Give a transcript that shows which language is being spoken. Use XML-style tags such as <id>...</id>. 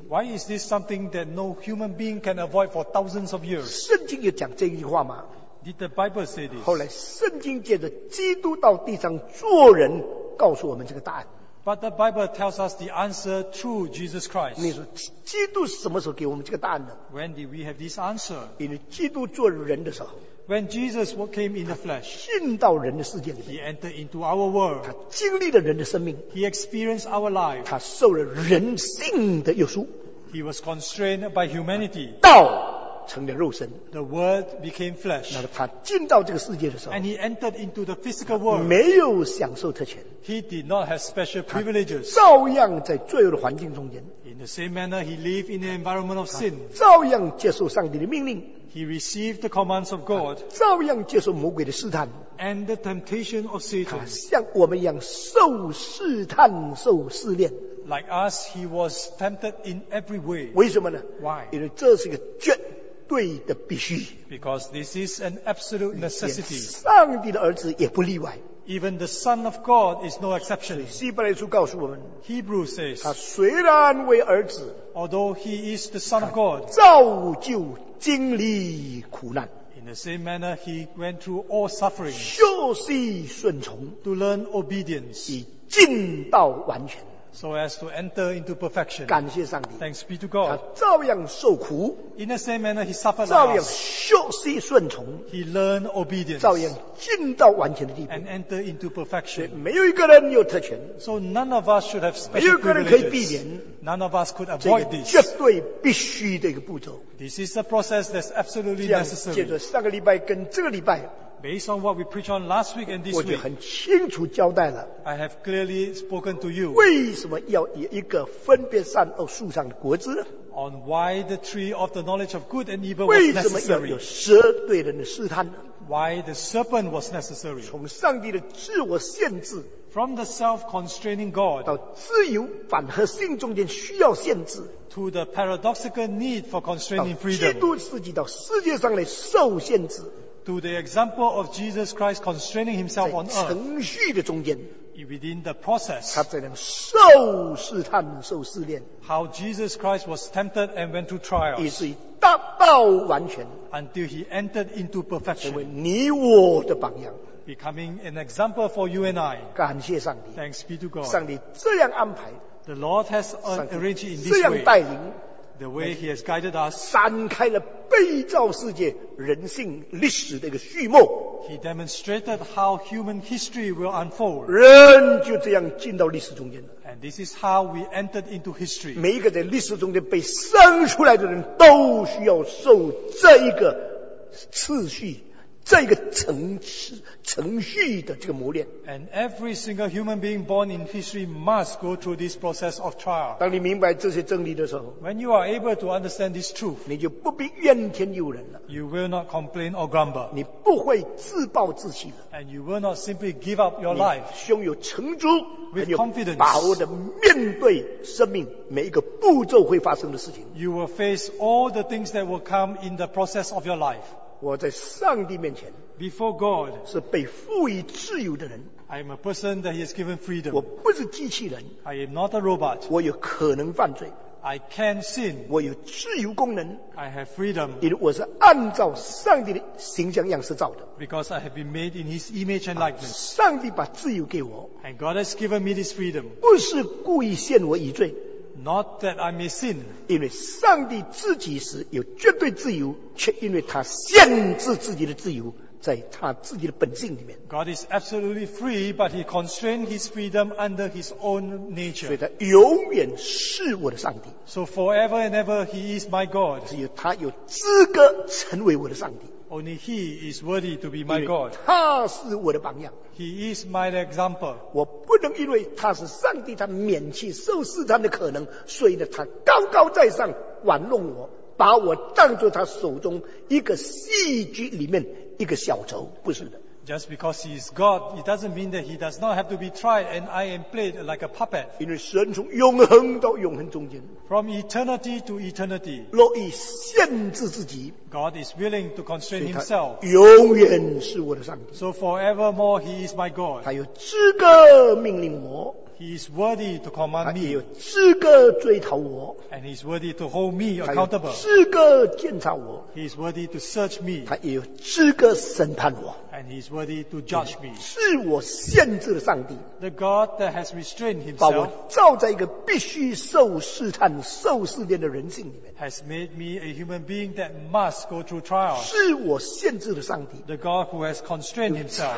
<en>Why is this something that no human being can avoid for thousands of years?</en> <zh>圣经有讲这句话吗?</zh> <en>Did the Bible say this?</en> <zh>后来圣经借着基督到地上做人告诉我们这个答案,</zh> <en>but the Bible tells us the answer through Jesus Christ.</en> <zh>你说基督什么时候给我们这个答案呢?</zh> <en>When did we have this answer?</en> <zh>因为基督做人的时候,</zh> <en>when Jesus came in the flesh,</en> <zh>进到人的世界里面,</zh> <en>he entered into our world,</en> <zh>他经历了人的生命,</zh> <en>he experienced our life,</en> <zh>他受了人性的约束,</zh> <en>he was constrained by humanity,</en> <zh>道 成了肉身,</zh> <en>the word became flesh,</en> <zh>那他进到这个世界的时候,</zh> <en>and he entered into the physical world,</en> <zh>没有享受特权,</zh> <en>he did not have special privileges,</en> <zh>照样在罪恶的环境中间,</zh> <en>in the same manner he lived in the environment of sin,</en> <zh>照样接受上帝的命令,</zh> <en>he received the commands of God,</en> <zh>照样接受魔鬼的试探,</zh> <en>and the temptation of Satan,</en> <zh>像我们一样受试探受试炼,</zh> <en>like us he was tempted in every way.</en> <zh>为什么呢?</zh> <en>Why?</en> <zh>因为这是一个绝 对的必须,</zh> <en>because this is an absolute necessity.</en> <zh>上帝的儿子也不例外,</zh> <en>even the Son of God is no exception.</en> <zh>希伯来书告诉我们,</zh> <en>Hebrews says,</en> <zh>他虽然为儿子,</zh> <en>although he is the Son of God,</en> <zh>造就经历苦难,</zh> <en>in the same manner he went through all suffering,</en> <zh>修习顺从,</zh> <en>to learn obedience,</en> <zh>以尽到完全,</zh> <en>so as to enter into perfection.</en> <zh>感谢上帝,</zh> <en>thanks be to God.</en> <zh>他照样受苦,</zh> <en>in the same manner he suffered,</en> <zh>照样修习顺从,</zh> <en>he learned obedience,</en> <zh>照样尽到完全的地步,</zh> <en>and enter into perfection.</en> <zh>没有一个人有特权,</zh> <en>so none of us should have special privileges. None of us could avoid this.</en> <zh>这个绝对必须的一个步骤,</zh> <en>this is a process that's absolutely necessary.</en> <zh>这样接着上个礼拜跟这个礼拜,</zh> <en>based on what we preached on last week and this week,</en> <zh>我就很清楚交代了,</zh> <en>I have clearly spoken to you,</en> <zh>为什么要有一个分别善恶树上的果子,</zh> <en>on why the tree of the knowledge of good and evil was necessary,</en> <zh>为什么要有蛇对人的试探,</zh> <en>why the serpent was necessary,</en> <zh>从上帝的自我限制,</zh> <en>from the self-constraining God,</en> <zh>到自由反合性中间需要限制,</zh> <en>to the paradoxical need for constraining freedom,</en> <zh>到基督自己到世界上来受限制,</zh> <en>to the example of Jesus Christ constraining himself on earth,</en> <zh>在程序的中间,</zh> <en>within the process,</en> <zh>他在那受试探受试炼,</zh> <en>how Jesus Christ was tempted and went to trials,</en> <zh>以至于达到完全,</zh> <en>until he entered into perfection,</en> <zh>成为你我的榜样,</zh> <en>becoming an example for you and I.</en> <zh>感谢上帝,</zh> <en>thanks be to God.</en> <zh>上帝这样安排,</zh> <en>the Lord has arranged in this way, the way he has guided us,</en> <zh>展开了被造世界人性历史的一个序幕,</zh> <en>he demonstrated how human history will unfold,</en> <zh>人就这样进到历史中间,</zh> <en>and this is how we entered into history.</en> <zh>每一个在历史中间被生出来的人都需要受这一个次序这个程序的这个磨练。</zh> <en>And every single human being born in history must go through this process of trial.</en> <zh>当你明白这些真理的时候</zh> <en>，When you are able to understand this truth，</en> <zh>你就不必怨天尤人了。</zh> <en>You will not complain or grumble.</en> <zh>你不会自暴自弃了。</zh> <en>And you will not simply give up your life.</en> <zh>你胸有成竹</zh> <en>，with confidence，</en> <zh>把握的面对生命每一个步骤会发生的事情。</zh> <en>You will face all the things that will come in the process of your life.</en> <zh>我在上帝面前</zh> <en>Before God,</en> <zh>是被赋予自由的人</zh> <en>I am a person that he has given freedom.</en> <zh>我不是机器人</zh> <en>I am not a robot.</en> <zh>我有可能犯罪</zh> <en>I can sin.</en> <zh>我有自由功能</zh> <en>I have freedom.</en> <zh>因为我是按照上帝的形象样式造的</zh> <en>Because I have been made in his image and likeness.</en> <zh>上帝把自由给我</zh> <en>And God has given me this freedom.</en> <zh>不是故意陷我于罪</zh> <en>Not that I may sin.</en> <zh>因为上帝自己是有绝对自由，却因为他限制自己的自由，在他自己的本性里面。</zh> <en>God is absolutely free, but he constrained his freedom under his own nature.</en> <zh>所以他永远是我的上帝。</zh> <en>So forever and ever he is my God.</en> <zh>只有他有资格成为我的上帝。</zh> <en>Only he is worthy to be my God.</en> <zh>他是我的榜样。</zh> <en>He is my example.</en> <zh>我不能因为他是上帝，他免去受试探的可能，所以呢，他高高在上玩弄我，把我当作他手中一个戏剧里面一个小丑，不是的。</zh> <en>Just because he is God, it doesn't mean that he does not have to be tried and I am played like a puppet.</en> <zh>因为神从永恒到永恒中间</zh> <en>，from eternity to eternity，</en> <zh>乐意限制自己</zh> <en>，God is willing to constrain himself。</en> <zh>永远是我的上帝。</zh> <en>So forevermore, he is my God。</en> <zh>他有资格命令我。</zh> <en>He is worthy to command me.</en> <zh>他也有资格追讨我。</zh> <en>And he is worthy to hold me accountable.</en> <zh>他有资格检查我。</zh> <en>He is worthy to search me.</en> <zh>他也有资格审判我。</zh> <en>And he is worthy to judge me.</en> <zh>是我限制了上帝。</zh> <en>The God that has restrained himself.</en> <zh>把我造在一个必须受试探、受试炼的人性里面。</zh> <en>Has made me a human being that must go through trial.</en> <zh>是我限制了上帝。</zh> <en>The God who has constrained himself.</en>